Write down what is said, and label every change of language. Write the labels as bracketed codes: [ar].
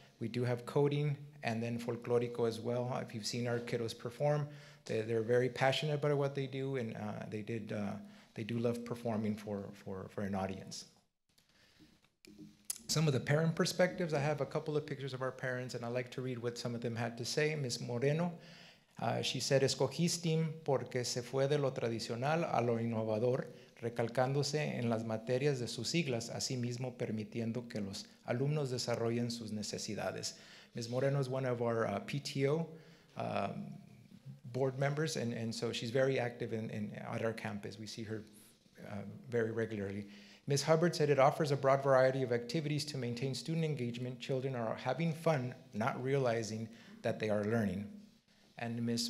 [en] We do have coding, and then folklorico as well. If you've seen our kiddos perform, they're very passionate about what they do, and they do love performing for an audience. Some of the parent perspectives, I have a couple of pictures of our parents, and I like to read what some of them had to say. Ms. [es] Moreno, she said, "Escogí STEAM porque se fue de lo tradicional a lo innovador, recalcándose en las materias de sus siglas, asimismo permitiendo que los alumnos desarrollen sus necesidades." [en] Ms. Moreno is one of our PTO board members, and so she's very active at our campus. We see her very regularly. Ms. Hubbard said it offers a broad variety of activities to maintain student engagement. Children are having fun, not realizing that they are learning. And Ms.